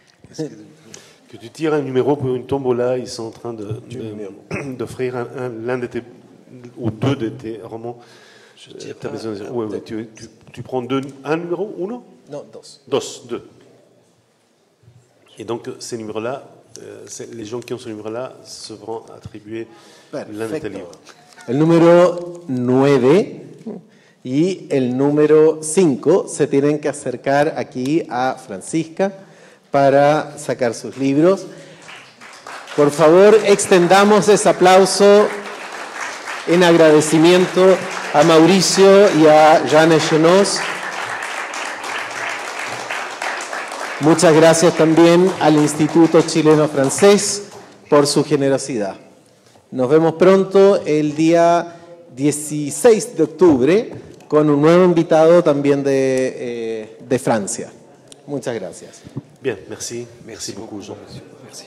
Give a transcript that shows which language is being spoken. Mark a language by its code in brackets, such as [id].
[fr] Que tu tires un numéro pour une tombola, ils sont en train d'offrir l'un de tes ou deux de tes romans. Tu prends un numéro, [es] uno? No, dos. Dos, deux. [fr] Et donc, ces numéros-là, les gens qui ont ce numéro-là se vont attribuer l'un de tes livres. [es] El número 9. Y el número 5 se tienen que acercar aquí a Francisca para sacar sus libros. Por favor, extendamos ese aplauso en agradecimiento a Mauricio y a Jeanne Chenoz. Muchas gracias también al Instituto Chileno Francés por su generosidad. Nos vemos pronto el día 16 de octubre. Con un nuevo invitado también de Francia. Muchas gracias. [fr] Bien, merci. Merci beaucoup, Jean.